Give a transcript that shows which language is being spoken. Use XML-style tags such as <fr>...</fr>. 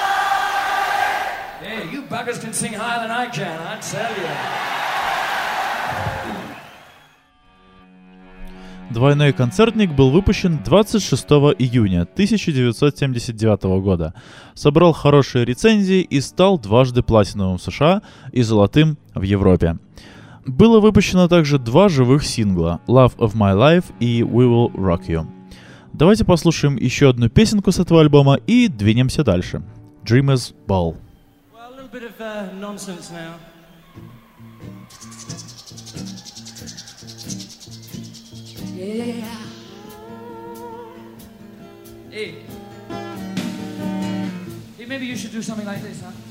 <en>motherfuckers can sing higher than I can, I tell you.</en> <ru>Двойной концертник был выпущен 26 июня 1979 года, собрал хорошие рецензии и стал дважды платиновым в США и золотым в Европе. Было выпущено также два живых сингла «Love of My Life» и «We Will Rock You». Давайте послушаем еще одну песенку с этого альбома и двинемся дальше.</ru> <en>«Dreamer's Ball». Well, a little bit of nonsense now. Yeah. Hey. Maybe you should do something like this, huh?</en>